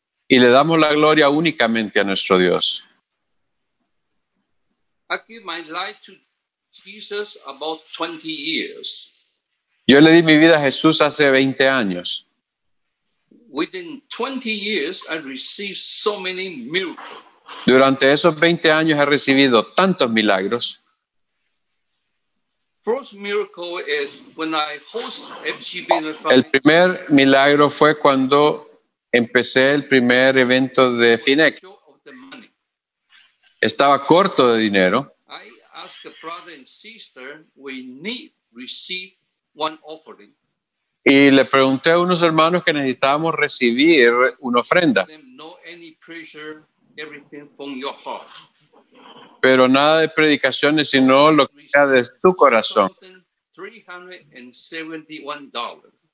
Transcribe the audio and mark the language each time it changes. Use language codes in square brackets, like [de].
[es] Y le damos la gloria únicamente a nuestro Dios. [en] I give my life to Jesus about 20 years. [es] Yo le di mi vida a Jesús hace 20 años. [en] Within 20 years, I received so many miracles. [es] Durante esos 20 años he recibido tantos milagros. [en] First miracle is when I host FGB. [es] El primer milagro fue cuando empecé el primer evento de FINEC. Estaba corto de dinero. [en] I ask the brother and sister, we need receive one offering. [es] Y le pregunté a unos hermanos que necesitábamos recibir una ofrenda. [en] Any pressure, everything from your heart. [es] Pero nada de predicaciones, sino lo que sea de tu corazón. [en] $371.